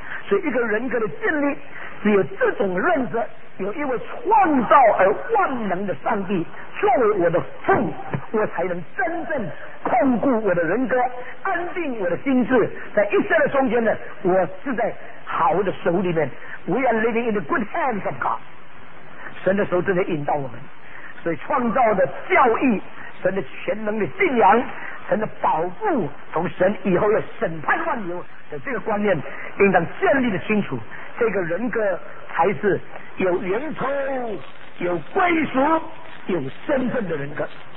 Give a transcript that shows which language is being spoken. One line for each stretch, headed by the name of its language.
Chinese: 所以一个人格的建立只有这种认识，有一位创造而万能的上帝作为我的父，我才能真正控固我的人格，安定我的心智。在一生的中间呢，我是在好的手里面。
English: We are living in the good hands of God，
Chinese: 神的手正在引导我们。所以创造的教义，神的全能的信仰，神的保护，从神以后要审判万有的这个观念应当建立的清楚。这个人格才是有源头、有归属、有身份的人格。